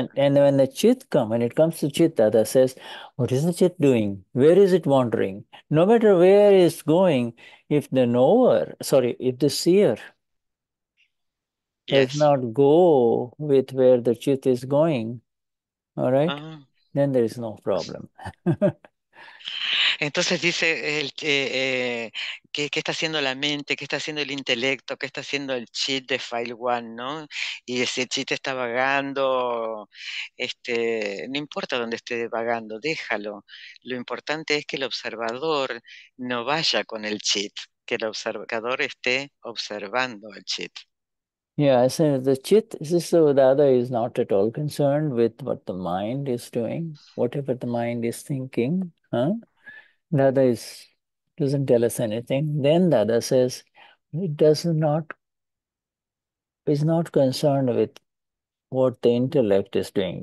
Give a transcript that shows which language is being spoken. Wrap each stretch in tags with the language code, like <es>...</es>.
<en>And when the chit comes, when it comes to chit, Dada says, what is the chit doing? Where is it wandering? No matter where it's going, if the knower, sorry, if the seer, yes, does not go with where the chit is going, all right, then there is no problem.</en> <es>Entonces dice qué está haciendo la mente, qué está haciendo el intelecto, qué está haciendo el chit de File One, ¿no? Y ese chit está vagando, no importa dónde esté vagando, déjalo. Lo importante es que el observador no vaya con el chit, que el observador esté observando el chit.</es> <en>Yeah, so the chit, so Dada is not at all concerned with what the mind is doing, whatever the mind is thinking, Dada doesn't tell us anything. Then Dada says, is not concerned with what the intellect is doing.</en>